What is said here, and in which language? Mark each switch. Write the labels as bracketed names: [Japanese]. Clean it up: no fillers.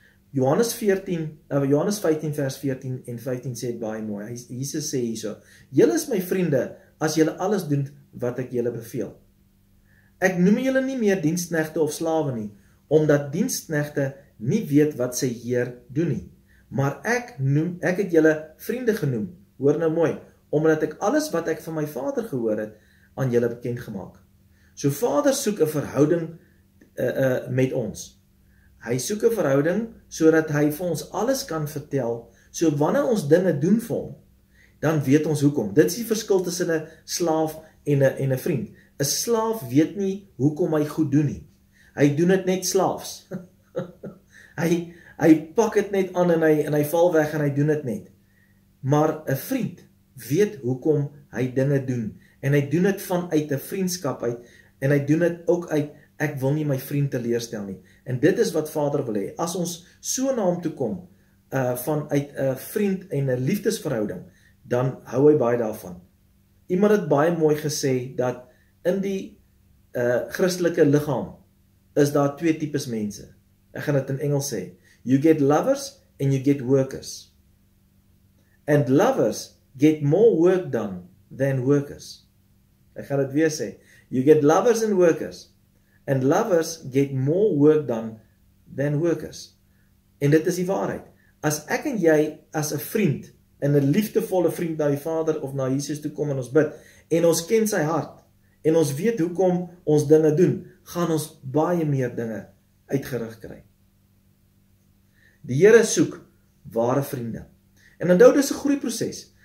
[Afrikaans] Johannes 15 vers 14 en 15 sê baie mooi. Jesus sê hierso: "Julle is my vriende as julle alles doen wat ek julle beveel. Ek noem julle nie meer diensknegte of slawe nie, omdat diensknegte nie weet wat sy Heer doen nie. Maar ek het julle vriende genoem, hoor nou mooi, omdat ek alles wat ek van my Vader gehoor het, aan julle bekend gemaak. So Vader soek 'n verhouding met ons. Hy soek 'n verhouding, sodat hy vir ons alles kan vertel, so wanneer ons dinge doen vir hom, dan weet ons hoekom. Dit is die verskil tussen 'n slaaf en 'n vriend. 'N slaaf weet nie hoekom hy goed doen nie. Hy doen dit net slaafs. hy pak het net aan en hy val weg en hy doen het net. Maar 'n vriend weet hoekom hy dinge doen. En hy doen het vanuit 'n vriendskap uit. En hy doen het ook uit, ek wil nie my vriend teleerstel nie. En dit is wat Vader wil hê. As ons so na hom toe kom, vanuit 'n vriend en 'n liefdesverhouding, dan hou hy baie daarvan. Iemand het baie mooi gesê dat in die Christelike liggaam is daar twee types mense. Ek gaan dit in Engels sê. [English] You get lovers and you get workers. And lovers get more work done than workers. [Afrikaans] Ek gaan dit weer sê. [English] You get lovers and workers. And lovers get more work done than workers. [Afrikaans] En dit is die waarheid. As ek en jy as 'n vriend en 'n liefdevolle vriend na die Vader of na Jesus toe kom en ons bid en ons ken sy hart en ons weet hoekom ons dinge doen, gaan ons baie meer dinge uitgerig kry. Die Here soek ware vriende. En onthou, dis 'n groei proses.